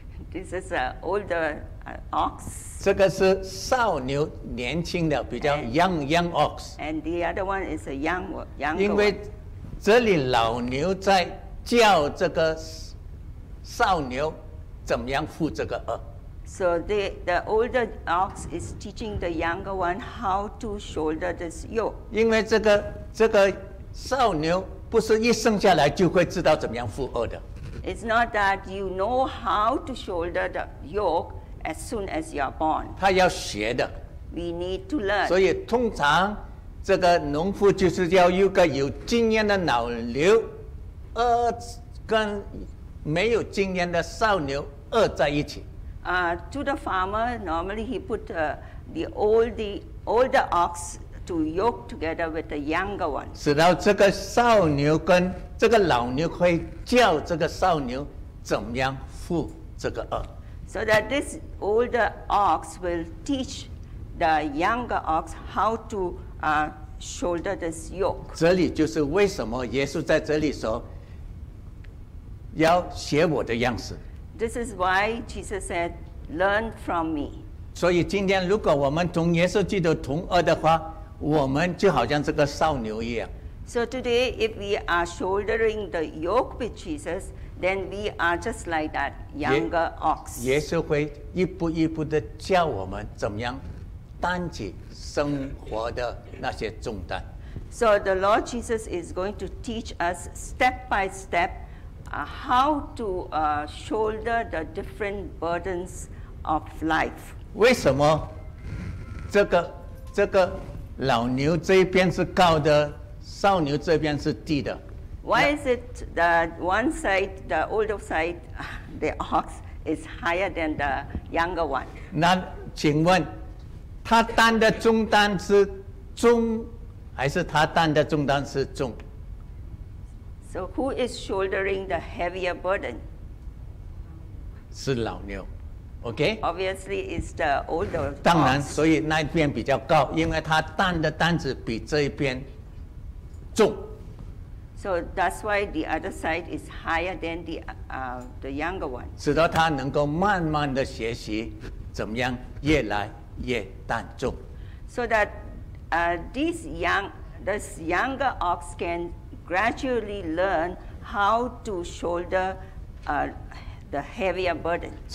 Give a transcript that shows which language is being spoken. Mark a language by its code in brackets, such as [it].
[en] This is an older ox. [zh] 这个是少牛，年轻的，比较 [en] young ox. And the other one is a young. [zh] 因为这里老牛在叫这个。少牛怎么样负这个轭 [en] ？So the older ox is teaching the younger one how to shoulder this yoke. [zh] 因为这个少牛不是一生下来就会知道怎么样负轭的。 [en] It's not that you know how to shoulder the yoke as soon as you are born. [zh] 他要学的。 [en] We need to learn. [zh] 所以通常这个农夫就是要有个有经验的老牛，轭跟。没有经验的少牛轭在一起。 [en] To the farmer, normally he put the older ox to yoke together with the younger one. [zh] 使到这个少牛跟这个老牛会教这个少牛怎么样负这个轭。 [en] So that this older ox will teach the younger ox how to shoulder this yoke. [zh] 这里就是为什么耶稣在这里说。要学我的样子。 [en] This is why Jesus said, "Learn from me." [zh] 所以今天如果我们同耶稣基督同轭的话，我们就好像这个少牛一样。 [en] So today, if we are shouldering the yoke with Jesus, then we are just like that younger ox. [zh] 耶稣会一步一步的教我们怎么样担起生活的那些重担。 [en] So the Lord Jesus is going to teach us step by step. How to shoulder the different burdens of life? [zh] 为什么这个老牛这边是高的，少牛这边是低的 [en] ？Why is it the one side, the older side, the ox is higher than the younger one? [zh] 那请问，他担的重担是中还是他担的重担是重? [en] So who is shouldering the heavier burden? [zh] 是老牛, okay? [en] Obviously, it's the older. [zh] 当然，所以那边比较高, 因为他担的担子比这边重。 [en] So that's why the other side is higher than the younger one. [zh] 使得他能够慢慢的学习怎么样越来越担重。 [en] So that this younger ox can gradually learn how to shoulder the heavier burden.